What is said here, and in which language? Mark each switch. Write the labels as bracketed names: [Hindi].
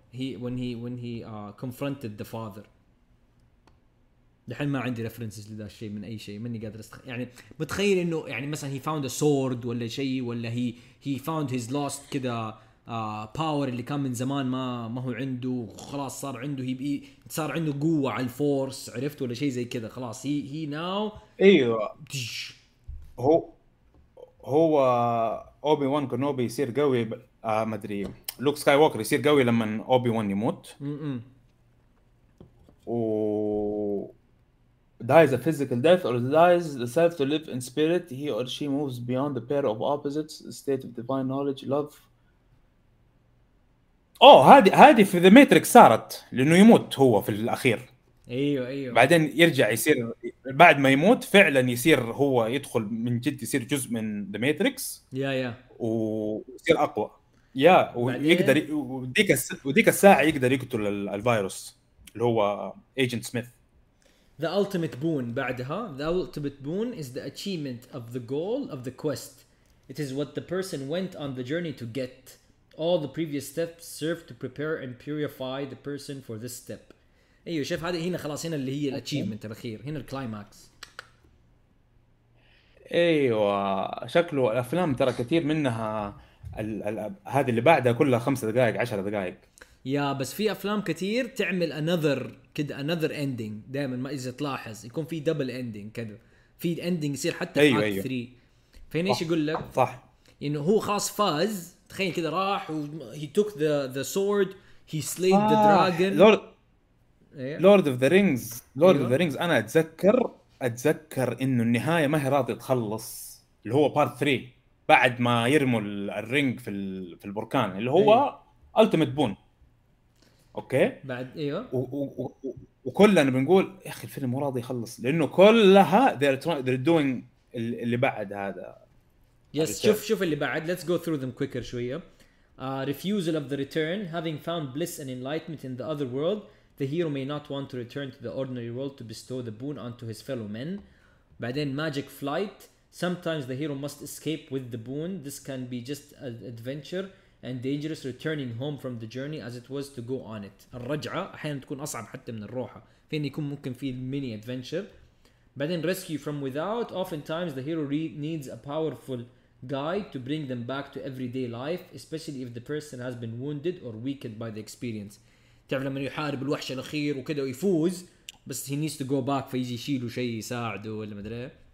[English] When he confronted the father. [Arabic] دحين ما عندي references لذا الشيء من أي شيء مني قادر استخ يعني بتخيل إنه يعني مثلاً [English] he found a sword [Arabic] ولا شيء ولا [English] he found his lost [Arabic] كده power اللي كان من زمان ما هو عنده خلاص صار عنده صار عنده قوة على الفورس عرفت ولا شيء زي كده خلاص [English] he now [Arabic] أيوة هو هو اوبي وان كنوبي يصير قوي ما ادري لوك سكاي ووكر يصير قوي لما اوبي وان يموت و [English] dies a physical death or dies the self to live in spirit he or she moves beyond the pair of opposites state of divine knowledge love. [Arabic] اوه هذه في ذا ماتريكس صارت لانه يموت هو في الاخير ايوه بعدين يرجع يصير بعد ما يموت فعلا يصير هو يدخل من جد يصير جزء من ذا ماتريكس يا ويصير اقوى يا ويقدر وديك الساعه يقدر يقتل الفيروس اللي هو ايجنت سميث. [English] The ultimate boon [Arabic] بعدها [English] the ultimate boon is the achievement of the goal of the quest it is what the person went on the journey to get all the previous steps serve to prepare and purify the person for this step. [Arabic] ايوه شايف هذه هنا خلاص هنا اللي هي الاتشيفمنت الاخير هنا الكلايماكس. ايوه شكله الافلام ترى كثير منها هذه اللي بعدها كلها 5 دقائق 10 دقائق يا بس في افلام كثير تعمل انذر كده انذر اندينج دائما ما اذا تلاحظ يكون في دبل اندينج كده في اندينج يصير حتى في أيوة أيوة. 3 فهنا ايش يقول لك صح انه هو خلاص فاز تخيل كده راح [English] he took the sword he slayed the dragon [Arabic] لورد اوف ذا رينجز لورد اوف ذا رينجز انا اتذكر انه النهايه ما هي راضي تخلص اللي هو بارت 3 بعد ما يرموا الرينج في البركان اللي هو التيميت بون اوكي بعد ايوه وكلنا بنقول يا اخي الفيلم مو راضي يخلص لانه كلها [English] they're doing [Arabic] اللي بعد هذا يس شوف اللي بعد [English] let's go through them quicker [Arabic] شويه [English] refusal of the return having found bliss and enlightenment in the other world the hero may not want to return to the ordinary world to bestow the boon onto his fellow men [Arabic] بعدين [English] magic flight sometimes the hero must escape with the boon this can be just an adventure and dangerous returning home from the journey as it was to go on it. [Arabic] الرجعة أحيانا تكون أصعب حتى من الروحة. فين يكون ممكن في [English] mini adventure. [Arabic] بعدين [English] rescue from without. Oftentimes the hero needs a powerful guide to bring them back to everyday life, especially if the person has been wounded or weakened by the experience. [Arabic] تعرف لما يحارب الوحش الأخير وكده ويفوز بس [English] he needs to go back [Arabic] فيجي يشيله شيء يساعده ولا ما أدري.